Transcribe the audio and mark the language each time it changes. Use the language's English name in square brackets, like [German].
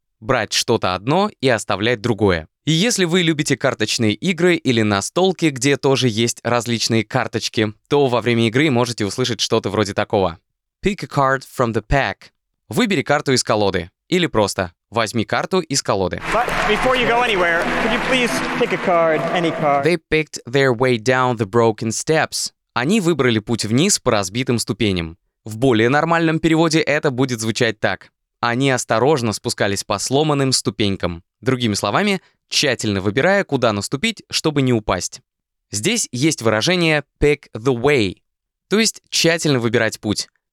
[Russian] Брать что-то одно и оставлять другое. И если вы любите карточные игры или настолки, где тоже есть различные карточки, то во время игры можете услышать что-то вроде такого. [English] Pick a card from the pack. [Russian] Выбери карту из колоды. Или просто возьми карту из колоды. [English] But before you go anywhere, could you please pick a card, any card? They picked their way down the broken steps. [Russian] Они выбрали путь вниз по разбитым ступеням. В более нормальном переводе это будет звучать так. Они осторожно спускались по сломанным ступенькам. Другими словами, тщательно выбирая, куда наступить, чтобы не упасть. Здесь есть выражение [English] pick the way, [Russian] то есть тщательно выбирать путь.